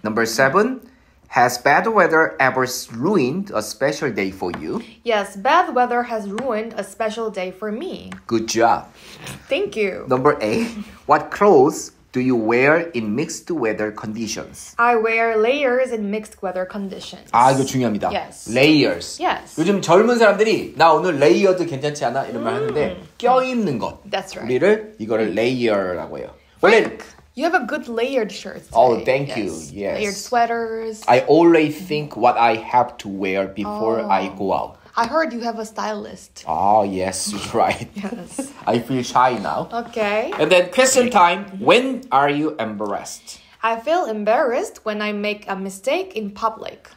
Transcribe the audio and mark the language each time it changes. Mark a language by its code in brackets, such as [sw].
[en] Number seven, has bad weather ever ruined a special day for you? Yes, bad weather has ruined a special day for me. Good job. Thank you. Number eight, what clothes do you wear in mixed weather conditions? I wear layers in mixed weather conditions. [ko] 아, 이거 중요합니다. [en] Yes. Layers. Yes. [ko] 요즘 젊은 사람들이 나 오늘 레이어드 괜찮지 않아? 이런 말 하는데 껴입는 것. [en] That's right. [ko] 우리를 이거를 레이어라고 해요. 원래 [en] You have a good layered shirt today. Oh, thank you. Yes. Layered sweaters. I always think what I have to wear before I go out. I heard you have a stylist. Oh, yes, right. Yes. I feel shy now. Okay. And then question time. When are you embarrassed? I feel embarrassed when I make a mistake in public.